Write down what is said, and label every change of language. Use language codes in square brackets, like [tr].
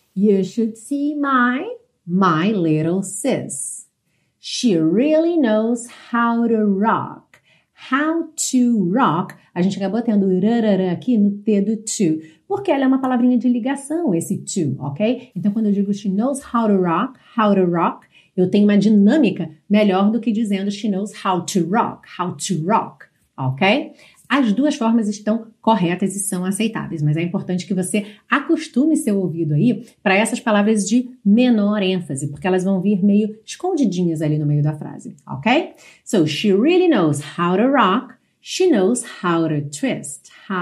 [en] You should see my little sis. She really knows how to rock. How to rock. [pt] A gente acabou tendo rarara aqui no T do to, porque ela é uma palavrinha de ligação, esse to, ok? Então, quando eu digo [en] she knows how to rock, [pt] eu tenho uma dinâmica melhor do que dizendo she knows how to rock, ok? As duas formas estão corretas e são aceitáveis, mas é importante que você acostume seu ouvido aí para essas palavras de menor ênfase, porque elas vão vir meio escondidinhas ali no meio da frase, ok? [en] So, she really knows how to rock, she knows how to twist.